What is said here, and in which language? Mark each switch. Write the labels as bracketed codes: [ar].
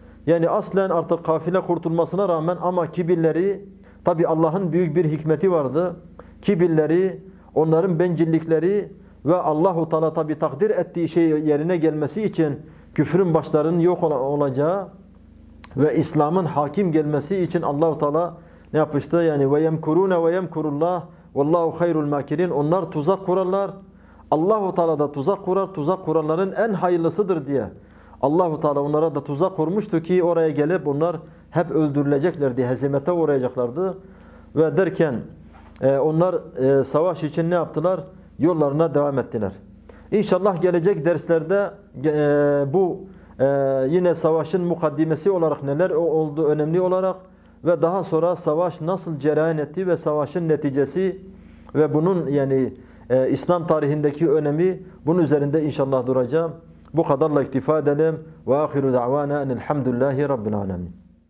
[tr] Yani aslen artık kafile kurtulmasına rağmen ama kibirleri, tabi Allah'ın büyük bir hikmeti vardı. Kibirleri, onların bencillikleri ve Allah-u Teala tabi takdir ettiği şey yerine gelmesi için küfrün başlarının yok olacağı ve İslam'ın hakim gelmesi için Allah-u Teala ne yapmıştı? Yani [ar] وَيَمْكُرُونَ وَيَمْكُرُ اللّٰهِ وَاللّٰهُ خَيْرُ الْمَاكِرِينَ [tr] Onlar tuzak kurarlar. Allah-u Teala da tuzak kurar. Tuzak kuranların en hayırlısıdır diye. Allah-u Teala onlara da tuzak kurmuştu ki oraya gelip onlar hep öldürüleceklerdi. Hezimete uğrayacaklardı. Ve derken onlar savaş için ne yaptılar? Yollarına devam ettiler. İnşallah gelecek derslerde bu yine savaşın mukaddimesi olarak neler oldu önemli olarak ve daha sonra savaş nasıl cereyan etti ve savaşın neticesi ve bunun yani İslam tarihindeki önemi bunun üzerinde inşallah duracağım. Bu kadarla iktifa edelim. Ve ahiru da'vana enel hamdülillahi rabbil alemin.